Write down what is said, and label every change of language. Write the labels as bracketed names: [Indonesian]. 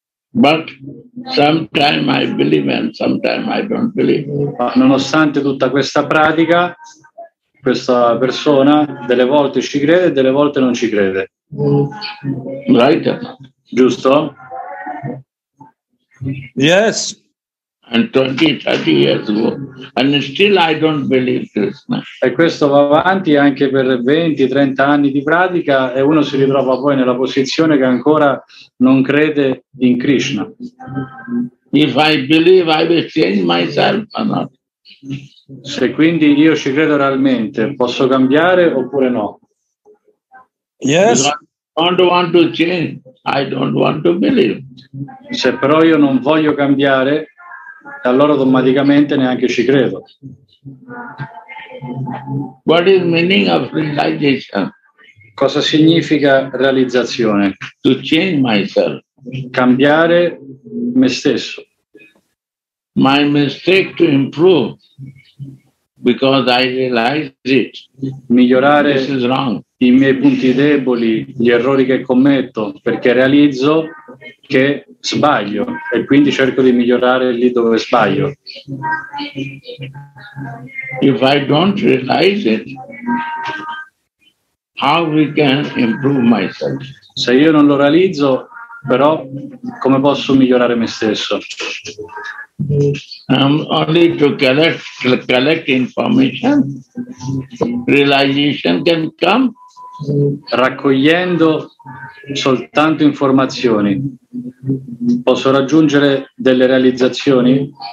[English] But sometimes I believe and sometimes I don't believe. [Italian] Ma nonostante tutta questa pratica, questa persona delle volte ci crede e delle volte non ci crede. [English] Right? [Italian] Giusto? [English] Yes. And 20-30 years ago. And still I don't believe Krishna. [Italian] E questo va avanti anche per 20-30 anni di pratica e uno si ritrova poi nella posizione che ancora non crede in Krishna. [English] If I believe I will change myself or not. [Italian] Se quindi io ci credo realmente, posso cambiare oppure no? [English] Yes. I don't want to change. I don't want to believe. [Italian] Se però io non voglio cambiare, allora automaticamente neanche ci credo. [English] What is meaning of realization? [Italian] Cosa significa realizzazione? [English] To change myself. [Italian] Cambiare me stesso. [English] My mistake to improve because I realize it. [Italian] Migliorare. [English] This is wrong. [Italian] I miei punti deboli, gli errori che commetto, perché realizzo che sbaglio e quindi cerco di migliorare lì dove sbaglio. [English] If I don't realize it, how we can improve myself? [Italian] Se io non lo realizzo, però come posso migliorare me stesso? [English] Only to collect information, realization can come. [Italian] raccogliendo soltanto informazioni, posso raggiungere delle realizzazioni?